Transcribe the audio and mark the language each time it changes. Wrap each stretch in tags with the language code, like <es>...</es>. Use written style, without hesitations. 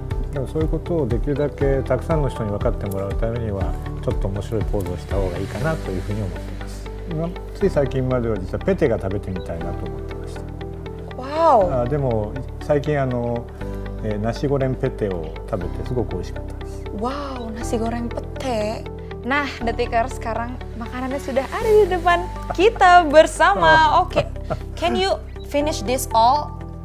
<ja>でもそういうことをできるだけたくさんの人に分かってもらうためにはちょっと面白いポーズをした方がいいかなというふうに思っています。つい最近までは実はペテが食べてみたいなと思ってました。わお。でも最近ナシゴレンペテを食べてすごく美味しかったです。わお、ナシゴレンペテ。</ja> <id>Nah, Detikar, sekarang makanannya sudah ada di depan kita bersama.</id> <en>Okay, can you finish this all?</en>